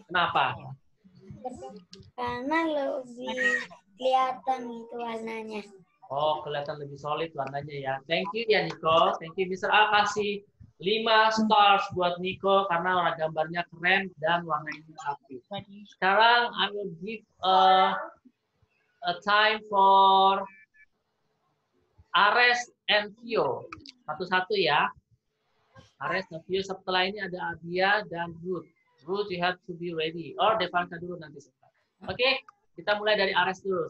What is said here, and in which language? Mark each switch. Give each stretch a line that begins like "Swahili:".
Indonesian: Kenapa? Karena lebih kelihatan itu warnanya. Oh, kelihatan lebih solid warnanya ya.
English: Thank you ya, Nico. Thank you, Mr. A.
Indonesian: Kasih 5 stars buat Nico karena warna gambarnya keren dan warnanya rapi.
English: Sekarang I will give a time for Ares and Theo.
Indonesian: Satu-satu ya. Ares dan Theo, setelah ini ada Adia dan Ruth.
English: Ruth, you have to be ready.
Indonesian: Or Devanka dulu nanti. Oke, okay, kita mulai dari Ares dulu.